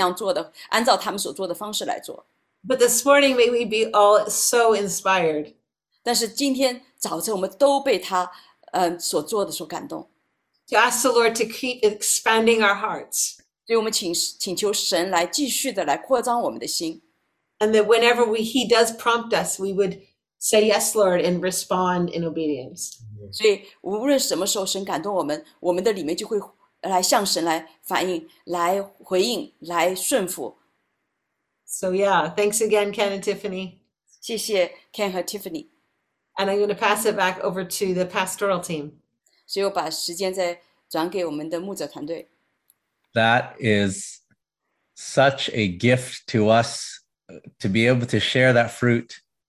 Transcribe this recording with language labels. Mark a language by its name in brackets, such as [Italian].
[Chinese] 我们没有好像被呼召出去做他们怎么样做的，按照他们所做的方式来做。 [English] But this morning, may we be all so inspired. [Chinese] 但是今天早晨，我们都被他所做的所感动。 [English] To ask the Lord to keep expanding our hearts. [Chinese] 所以我们请求神来继续的来扩张我们的心。 [English] And that whenever he does prompt us, we would say, yes, Lord, and respond in obedience. [Chinese] 所以无论什么时候神感动我们，我们的里面就会来向神来反应，来回应，来顺服。 [English] So yeah, thanks again, Ken and Tiffany. [Chinese] 谢谢Ken和Tiffany. [English] And I'm going to pass it back over to the pastoral team. [Chinese] 所以我把时间再转给我们的牧者团队。 [English] That is such a gift to us to be able to share that fruit.